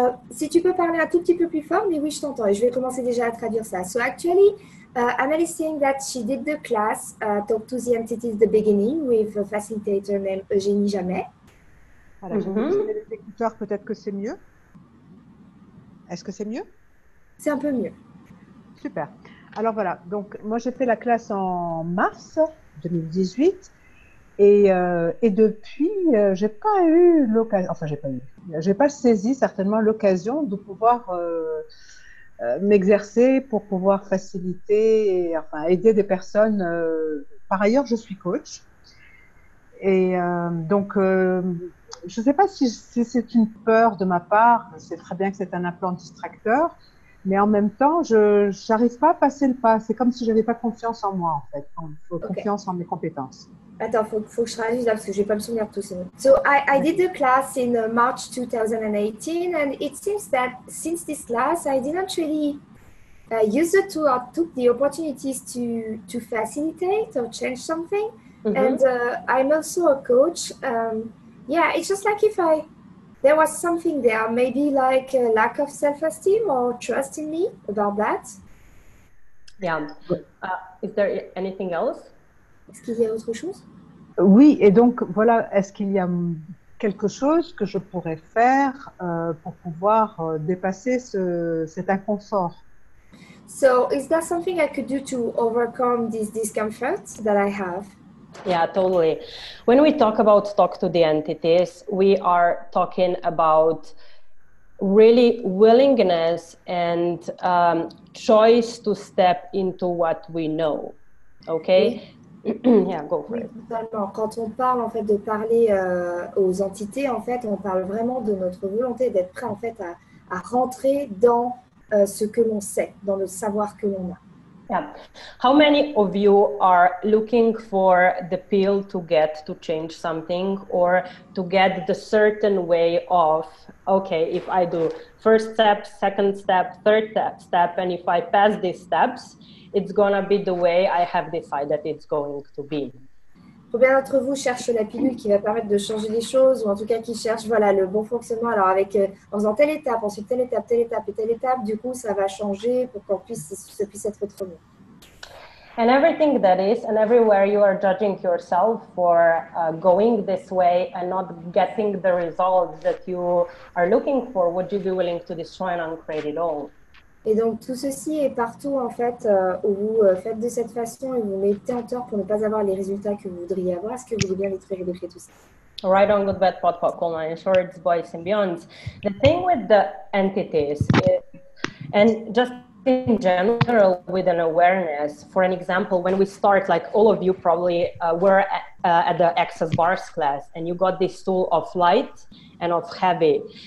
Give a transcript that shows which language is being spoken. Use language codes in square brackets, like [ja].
[fr] Si tu peux parler un tout petit peu plus fort, mais oui, je t'entends. Et je vais commencer déjà à traduire ça. [en] So, actually, Amel is saying that she did the class, Talk to the Entities, the beginning, with a facilitator named Eugène Jamais. [fr] Alors, j'ai les écouteurs, peut-être que c'est mieux. Est-ce que c'est mieux? C'est un peu mieux. Super. Alors voilà, donc moi j'ai fait la classe en mars 2018 et depuis j'ai pas eu l'occasion, enfin j'ai pas saisi certainement l'occasion de pouvoir m'exercer pour pouvoir faciliter et enfin aider des personnes. Par ailleurs, je suis coach et je sais pas si c'est une peur de ma part, c'est très bien que c'est un implant distracteur. Mais en même temps, je n'arrive pas à passer le pas. C'est comme si je n'avais pas confiance en moi, en fait. Confiance en mes compétences. Attends, faut que je traduise là, parce que je ne vais pas me souvenir tout seul. [en] So, I did the class in March 2018, and it seems that since this class, I didn't really use the tool or took the opportunities to facilitate or change something. Mm-hmm. And I'm also a coach. It's just like if I... There was something there, maybe like a lack of self-esteem or trust in me about that. Yeah. Is there anything else? [fr] Est-ce qu'il y a autre chose? Oui, et donc voilà, est-ce qu'il y a quelque chose que je pourrais faire pour pouvoir dépasser cet inconfort? [en] So, is there something I could do to overcome this discomfort that I have? Yeah, totally. When we talk about talk to the entities, we are talking about really willingness and choice to step into what we know. Okay? [fr] Oui. [en] Yeah, go for oui, it. [fr] Totalement. Quand on parle en fait de parler aux entités, en fait, on parle vraiment de notre volonté d'être prêt en fait à rentrer dans ce que l'on sait, dans le savoir que l'on a. [en] Yeah. How many of you are looking for the pill to get to change something or to get the certain way of, okay, if I do first step, second step, third step, and if I pass these steps, it's going to be the way I have decided it's going to be. [fr] Combien d'entre vous cherchent la pilule qui va permettre de changer les choses ou en tout cas qui cherchent voilà, le bon fonctionnement? Alors, en faisant telle étape, ensuite telle étape et telle étape, du coup, ça va changer pour qu'on puisse être autrement. [en] And everything that is, and everywhere you are judging yourself for going this way and not getting the results that you are looking for, would you be willing to destroy and uncreate it all? [fr] Et donc tout ceci est partout en fait où vous faites de cette façon et vous mettez en tort pour ne pas avoir les résultats que vous voudriez avoir. Est-ce que vous voulez bien les traiter de créer tout ça? [en] Right on, good, bad, pot, pot, call, nine, shorts, boys and beyonds. The thing with the entities and just in general with an awareness, for an example, when we start, like all of you probably were at the Access Bars class and you got this tool of light and of heavy.